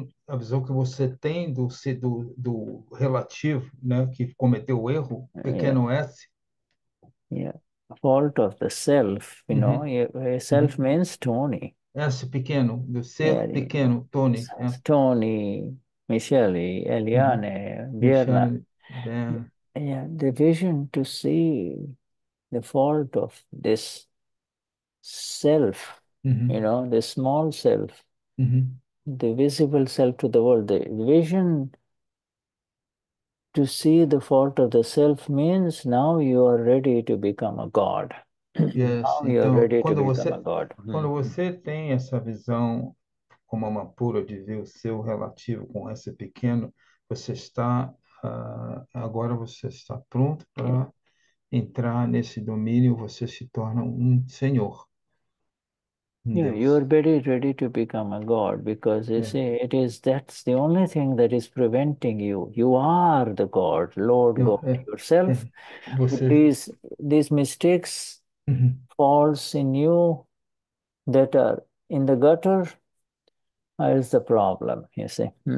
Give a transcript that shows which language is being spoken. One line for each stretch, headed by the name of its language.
Portuguese: a visão que você tem do relativo, né, que cometeu o erro, pequeno s.
English: fault of the self, you know, self means Tony.
Portuguese: S pequeno, do ser
English: Yeah,
Portuguese: pequeno, Tony. Tony, Michele, Eliane, Birna. Michele, Ben.
English: Yeah, the vision to see the fault of this self, you know, the small self, the visible self to the world. The vision to see the fault of the self means now you are ready to become a god. Now you are
Portuguese: Então,
English: ready to become a god.
Portuguese: quando você tem essa visão como alma pura de ver o seu relativo com esse pequeno, você está agora você está pronto para entrar nesse domínio, você se torna um senhor, um
English: Yeah, you're very ready to become a god because you see it is that's the only thing that is preventing you. You are the god, Lord God yourself. These mistakes, faults in you that are in the gutter is the problem, you see.